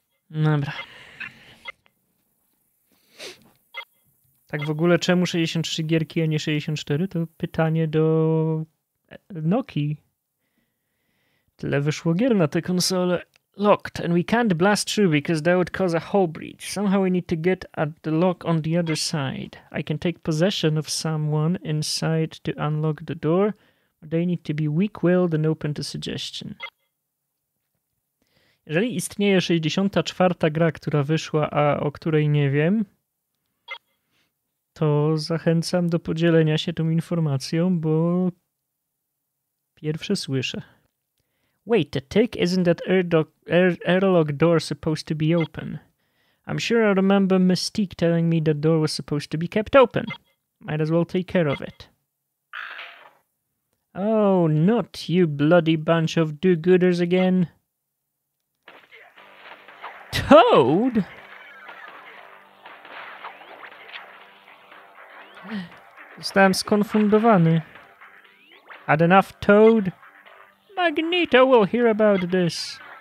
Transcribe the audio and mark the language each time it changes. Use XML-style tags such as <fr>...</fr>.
<pl>Dobra. Tak w ogóle, czemu 63 gierki, a nie 64? To pytanie do Nokii. Tyle wyszło gier na tę konsolę.</pl> <en>Locked, and we can't blast through because that would cause a hole breach. Somehow we need to get at the lock on the other side. I can take possession of someone inside to unlock the door. They need to be weak-willed and open to suggestion.</en> <pl>Jeżeli istnieje 64. gra, która wyszła, a o której nie wiem, to zachęcam do podzielenia się tą informacją, bo pierwsze słyszę.</pl> <en>Wait, the tick, isn't that airlock door supposed to be open? I'm sure I remember Mystique telling me that door was supposed to be kept open. Might as well take care of it. Oh, not you bloody bunch of do-gooders again. Toad?</en> <pl>Zostałem skonfundowany.</pl> <en>Had enough, Toad? Magneto will hear about this.</en>